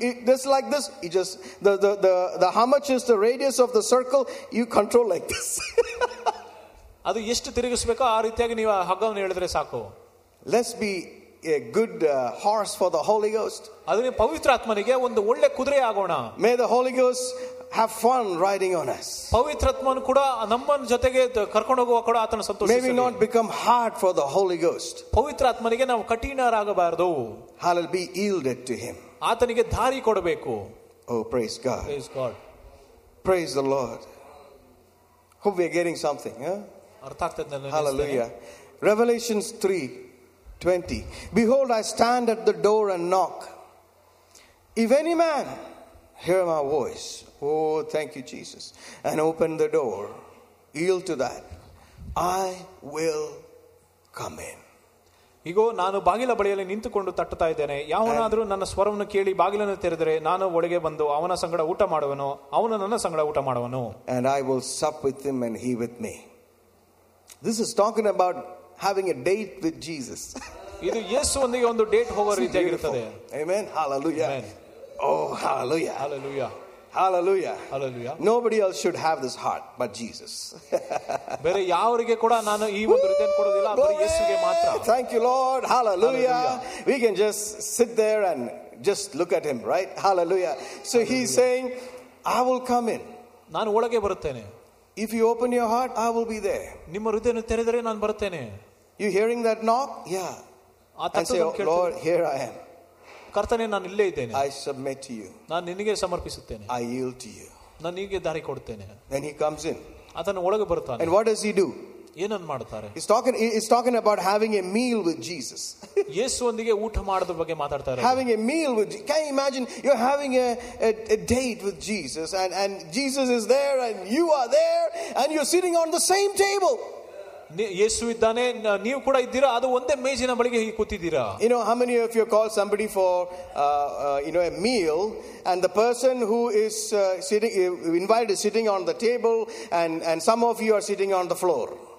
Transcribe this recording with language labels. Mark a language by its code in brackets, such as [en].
[en] Just like this, you just the how much is the radius of the circle, you control like this. [kn] ಅದು ಎಷ್ಟು ತಿರುಗಿಸಬೇಕು ಆ ರೀತಿಯಾಗಿ ನೀವು ಹಗ್ಗವನ್ನು ಹೇಳಿದ್ರೆ ಸಾಕು. [en] Let's be a good horse for the Holy Ghost. [kn] ಅದನ್ನು ಪವಿತ್ರಾತ್ಮನಿಗೆ ಒಂದು ಒಳ್ಳೆ ಕುದುರೆ ಆಗೋಣ. [en] May the Holy Ghost have fun riding on us. [kn] ಪವಿತ್ರಾತ್ಮನು ಕೂಡ ನಮ್ಮನ್ನು ಜೊತೆಗೆ ಕರ್ಕೊಂಡು ಹೋಗುವ ಕೂಡ ಆತನ ಸಂತೋಷ. [en] May we not become hard for the Holy Ghost. [kn] ಪವಿತ್ರಾತ್ಮನಿಗೆ ನಾವು ಕಠಿಣರಾಗಬಾರದು. [en] Hallel be yielded to him. [kn] ಆತನಿಗೆ ದಾರಿ ಕೊಡಬೇಕು. [en] Oh, praise God. Praise God. Praise the Lord. Hope we are getting something, huh? [kn] ಅರ್ಥ ಆಗ್ತದೆ. [en] Hallelujah. Revelations 3:20. Behold, I stand at the door and knock. If any man hear my voice, oh, thank you, Jesus, and open the door, yield to that, I will come in. [kn] ಈಗೋ ನಾನು ಬಾಗಿಲ ಬಳಿಯಲ್ಲಿ ನಿಂತುಕೊಂಡು ತಟ್ಟುತ್ತಾ ಇದ್ದೇನೆ. ಯಾವನಾದರೂ ನನ್ನ ಸ್ವರವನ್ನು ಕೇಳಿ ಬಾಗಿಲನ್ನು ತೆರೆದರೆ ನಾನು ಒಳಗೆ ಬಂದು ಅವನ ಸಂಗಡ ಊಟ ಮಾಡುವನು, ಅವನು ನನ್ನ ಸಂಗಡ ಊಟ ಮಾಡುವನು. [en] And I will sup with him and he with me. This is talking about having a date with Jesus. [kn] ಇದು ಯೇಸುವಿನೊಂದಿಗೆ ಒಂದು ಡೇಟ್ ಹೋಗುವ ರೀತಿಯಾಗಿರುತ್ತದೆ. [en] Amen. Hallelujah. Amen. Oh, hallelujah. Hallelujah. Hallelujah. Hallelujah. Nobody else should have this heart but Jesus. [kn] ಬೇರೆ ಯಾರಿಗೆ ಕೂಡ ನಾನು ಈ ಒಂದು ಹೃದಯ ಕೊಡೋದಿಲ್ಲ, ಬರೀ ಯೇಸುವಿಗೆ ಮಾತ್ರ. [en] Thank you, Lord. Hallelujah. We can just sit there and just look at him, right? Hallelujah. So he's saying, I will come in. [kn] ನಾನು ಒಳಗೆ ಬರುತ್ತೇನೆ. [en] If you open your heart, I will be there. [kn] ನಿಮ್ಮ ಹೃದಯವನ್ನು ತೆರೆದರೆ ನಾನು ಬರುತ್ತೇನೆ. [en] You hearing that knock? Yeah. And say, oh, Lord, here I am. [kn] ಕರ್ತನೆ, ನಾನು ಇಲ್ಲೇ ಇದ್ದೇನೆ. [en] I submit to you. [kn] ನಾನು ನಿನಗೆ ಸಮರ್ಪಿಸುತ್ತೇನೆ. [en] I yield to you. [kn] ನಾನು ನಿನಗೆ ದಾರಿ ಕೊಡುತ್ತೇನೆ. [en] Then he comes in. [kn] ಅತನು ಒಳಗೆ ಬರುತ್ತಾನೆ. [en] And what does he do? [kn] ಏನನ್ನು ಮಾಡುತ್ತಾರೆ? [en] He's talking about having a meal with Jesus. [kn] ಯೇಸುವಿನೊಂದಿಗೆ ಊಟ ಮಾಡುವ ಬಗ್ಗೆ ಮಾತಾಡುತ್ತಾರೆ. [en] Having a meal with Jesus. Can you imagine? You're having a date with Jesus and Jesus is there and you are there and you're sitting on the same table. [kn] ಯೇಸು ಇದ್ದಾನೆ, ನೀವು ಕೂಡ ಇದ್ದೀರಾ, ಅದು ಒಂದೇ ಮೇಜಿನ ಬಳಿಗೆ ಕೂತಿದ್ದೀರಾ. [en] You know how many of you call somebody for you know a meal and the person who is sitting invited sitting on the table and some of you are sitting on the floor.